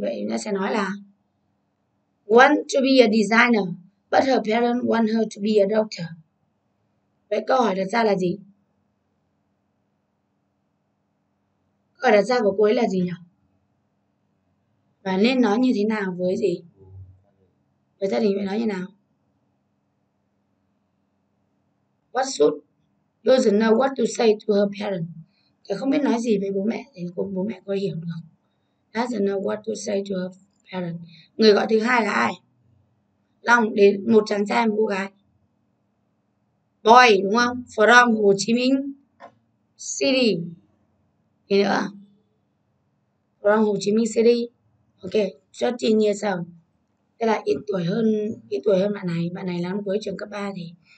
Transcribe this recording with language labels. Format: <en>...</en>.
<vi>Vậy nó sẽ nói là</vi> <en>want to be a designer but her parents want her to be a doctor.</en> <vi>Vậy câu hỏi đặt ra là gì? Câu hỏi đặt ra của cô ấy là gì nhỉ? Và nên nói như thế nào với gì, với gia đình? Vậy nói như nào?</vi> <en>What should doesn't know what to say to her parents.</en> <vi>Thì không biết nói gì với bố mẹ thì bố mẹ có hiểu được.</vi> <en>Doesn't know what to say to her parents.</en> <vi>Người gọi thứ hai là ai? Long đến, một chàng trai một cô gái. Boy đúng không? From Hồ Chí Minh City. Gì nữa?</vi> <en>From Hồ Chí Minh City.</en> <vi>Ok,</vi> <en>13 years old.</en> <vi>Tức là ít tuổi hơn bạn này. Bạn này là năm cuối trường cấp 3 thì</vi>